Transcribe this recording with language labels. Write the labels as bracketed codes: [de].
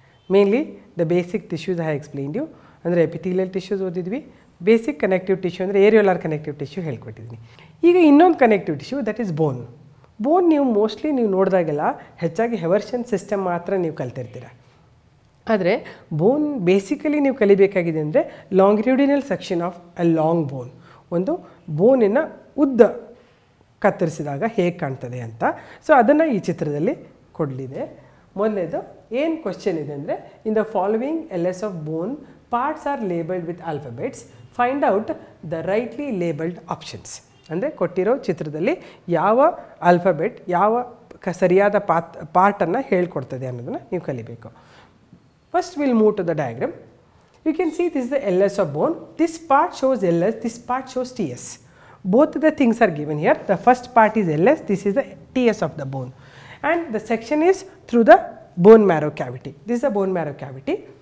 [en] Mainly, the basic tissues I have explained you, and the epithelial tissues, basic connective tissue, and the areolar connective tissue, help with it. This is the connective tissue, that is bone. Bone, you mostly you know that the Heversian system you have to do. Bone, basically, you have to do the longitudinal section of a long bone. [kn] ಒಂದು ಬೋನಿನ ಉದ್ದ ಕತ್ತರಿಸಿದಾಗ ಹೇಗೆ ಕಾಣ್ತದೆ ಅಂತ. So ಅದನ್ನು ಈ ಚಿತ್ರದಲ್ಲಿ ಕೊಡಲಿದೆ. ಮೊದಲೇದು ಏನು ಕ್ವಶನ್ ಇದೆ ಅಂದರೆ, [en] In the following LS of bone parts are labelled with alphabets, find out the rightly labelled options. [kn] ಅಂದರೆ ಕೊಟ್ಟಿರೋ ಚಿತ್ರದಲ್ಲಿ ಯಾವ ಆಲ್ಫಬೆಟ್ ಯಾವ ಸರಿಯಾದ ಪಾರ್ಟನ್ನು ಹೇಳ್ಕೊಡ್ತದೆ ಅನ್ನೋದನ್ನು ನೀವು ಕಲಿಬೇಕು. [en] First will move to the diagram. You can see this is the LS of bone. This part shows LS, this part shows TS. Both the things are given here. The first part is LS, this is the TS of the bone. And the section is through the bone marrow cavity. This is the bone marrow cavity.